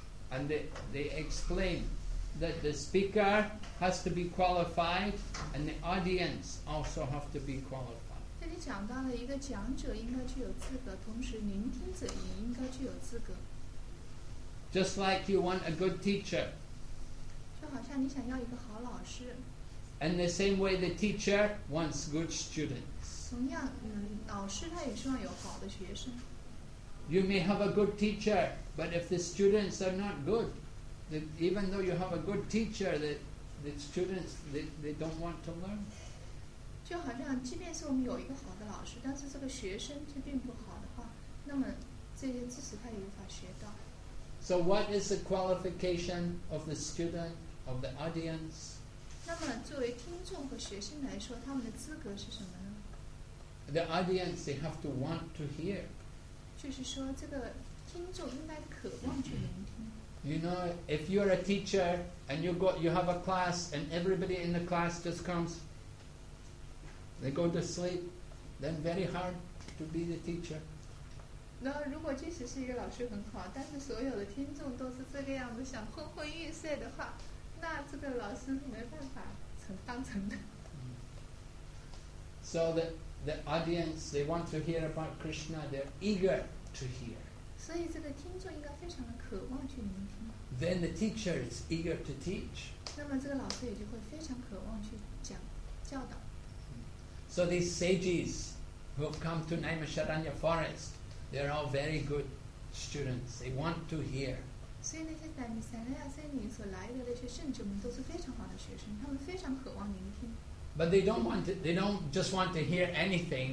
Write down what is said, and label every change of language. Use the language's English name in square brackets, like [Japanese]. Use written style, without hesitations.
[English] And they explain that the speaker has to be qualified, and the audience also have to be qualified. [Chinese] 你讲到了一个讲者应该具有资格，同时聆听者也应该具有资格。 [English] Just like you want a good teacher. [Chinese] 就好像你想要一个好老师。 [English] In the same way, the teacher wants good students. [Chinese] 同样，老师他也希望有好的学生。 [English] You may have a good teacher, but if the students are not good, even though you have a good teacher, the students don't want to learn. [Chinese] 就好像即便是我们有一个好的老师但是这个学生却并不好的话那么这些知识他也无法学到 [English] So what is the qualification of the student of the audience [Chinese] 那么作为听众和学生来说他们的资格是什么呢 [English] The audience they have to want to hear [Chinese] 就是说这个听众应该渴望去聆听 [English] You know if you're a teacher and you have a class and everybody in the class just comesThey go to sleep, then very hard to be the teacher. [Chinese] 那如果即使是一个老师很好，但是所有的听众都是这个样子，想昏昏欲睡的话，那这个老师没办法当成的。 [English] So the audience they want to hear about Krishna, they're eager to hear. [Chinese] 所以这个听众应该非常的渴望去聆听。 [English] Then the teacher is eager to teach. [Chinese] 那么这个老师也就会非常渴望去讲教导。 [English] So these sages who have come to Naimisharanya forest, they are all very good students. They want to hear. But they don't just want to hear anything.